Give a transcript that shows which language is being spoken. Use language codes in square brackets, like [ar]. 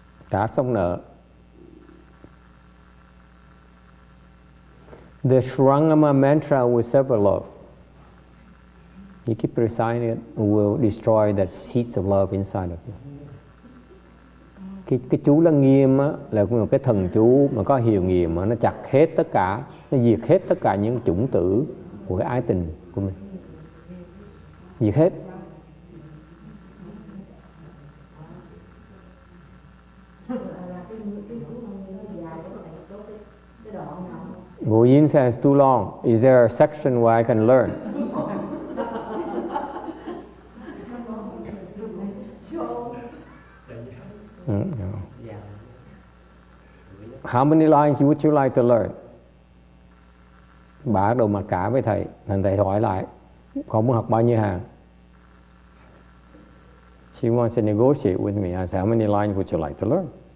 [vi] Trả xong nợ. [en] The Sarangama mantra will sever love. You keep reciting it, it will destroy that seeds of love inside of you. [vi] Cái chú Lăng Nghiêm á, là một cái thần chú mà có hiệu nghiệm á, nó chặt hết tất cả, nó diệt hết tất cả những chủng tử của cái ái tình của mình. Diệt hết. [en] Bu Yin says too long. Is there a section where I can learn? How many lines would you like to learn? [vi] Bà đầu mặt cả với thầy, thành thầy hỏi lại, con muốn học bao nhiêu hàng? [en] She wants to negotiate with me. I said, how many lines would you like to learn?